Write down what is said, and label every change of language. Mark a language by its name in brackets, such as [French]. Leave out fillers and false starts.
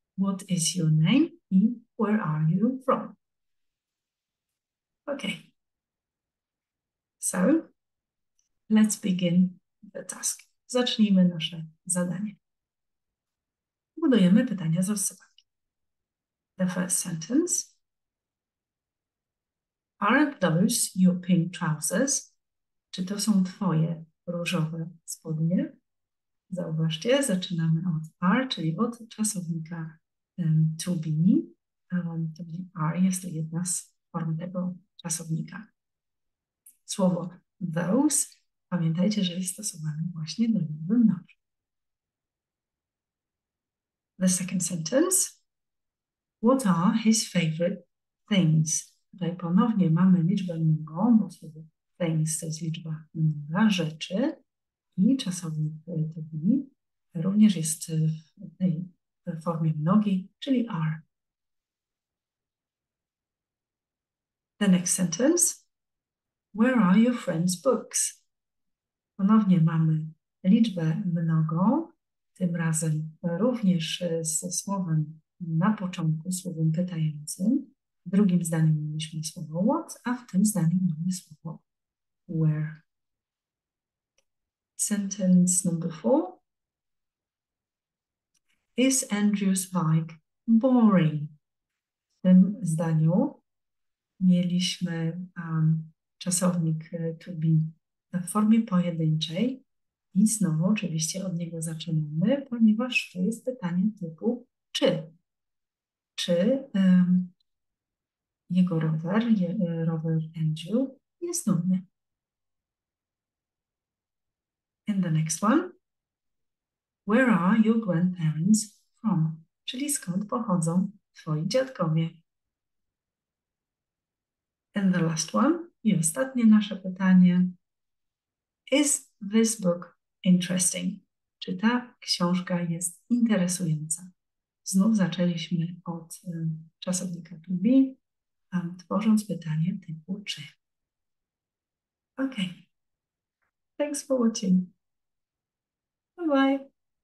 [English] What is your name? I where are you from? Okay. So, let's begin the task. [Polish] Zacznijmy nasze zadanie. Budujemy pytania z rozsypanki. [English] The first sentence. Are those your pink trousers? [Polish] Czy to są twoje różowe spodnie? Zauważcie, zaczynamy od are, czyli od czasownika to be, to be are, jest to jedna z form tego czasownika. Słowo those, pamiętajcie, że jest stosowane właśnie do liczby mnogiej. [English] The second sentence. What are his favorite things? [Polish] Tutaj ponownie mamy liczbę mnogą, bo słowo things to jest liczba mnoga, rzeczy i czasownik to be również jest w tej w formie mnogiej, czyli are. [English] The next sentence. Where are your friend's books? [Polish] Ponownie mamy liczbę mnogą, tym razem również ze słowem na początku, słowem pytającym. W drugim zdaniu mieliśmy słowo what, a w tym zdaniu mamy słowo where. [English] Sentence number four. Is Andrew's bike boring? [Polish] W tym zdaniu mieliśmy czasownik to be w formie pojedynczej i znowu oczywiście od niego zaczynamy, ponieważ to jest pytanie typu czy. Czy jego rower, rower Andrew jest nudny? [English] And the next one. Where are your grandparents? [Polish] Czyli skąd pochodzą twoi dziadkowie? [English] And the last one. [Polish] I ostatnie nasze pytanie. [English] Is this book interesting? [Polish] Czy ta książka jest interesująca? Znów zaczęliśmy od czasownika to be, tworząc pytanie typu czy. [English] Okay. Thanks for watching. Bye bye.